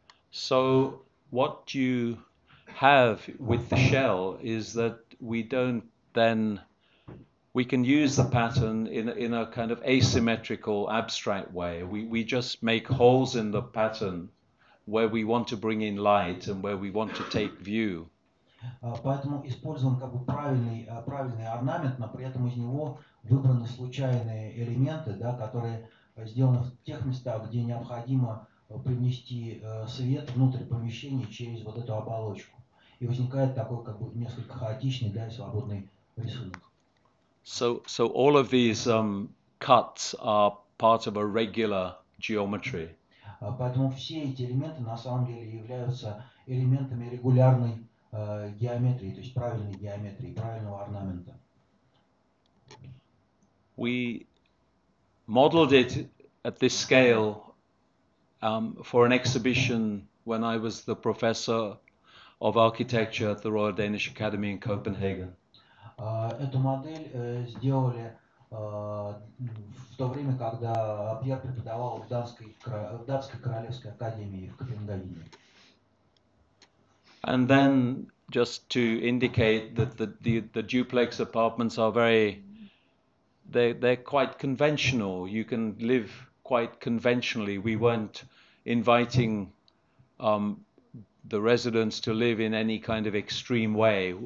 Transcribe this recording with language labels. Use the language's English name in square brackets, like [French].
[English] So what you have with the shell is that we don't then we can use the pattern in a kind of asymmetrical abstract way. We just make holes in the pattern where we want to bring in light and where we want to take view. [Russian] Поэтому использован как бы правильный орнамент, но при этом из него выбраны случайные элементы, да, которые сделаны в тех местах, где необходимо привнести свет внутрь помещения через вот эту оболочку. И возникает такой как бы несколько хаотичный, да, и свободный рисунок. [English] So all of these cuts are part of a regular geometry. [Russian] Поэтому все эти элементы на самом деле являются элементами регулярной геометрии, то есть правильной геометрии, правильного орнамента. [English] We modeled it at this scale for an exhibition when I was the professor of architecture at the Royal Danish Academy in Copenhagen. [Russian] Эту модель сделали в то время, когда Пьер преподавал в датской королевской академии в Копенгагене. [English] And then just to indicate that the duplex apartments are they're quite conventional. You can live quite conventionally. We weren't inviting the residents to live in any kind of extreme way.